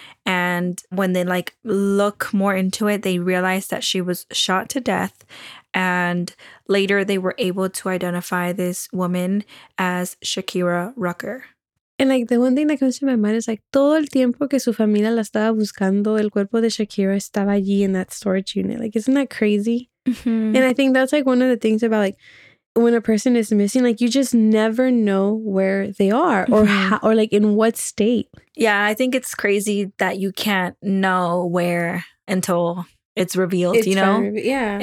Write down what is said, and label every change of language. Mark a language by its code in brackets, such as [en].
[en] And when they like look more into it, they realize that she was shot to death. And later they were able to identify this woman as Shakira Rucker. And like the one thing that comes to my mind is like [es] todo el tiempo que su familia la estaba buscando, el cuerpo de Shakira estaba allí [en] in that storage unit. Like, isn't that crazy? Mm-hmm. And I think that's like one of the things about like when a person is missing, like you just never know where they are or how, or like in what state. Yeah, I think it's crazy that you can't know where until it's revealed, it's you know? Yeah.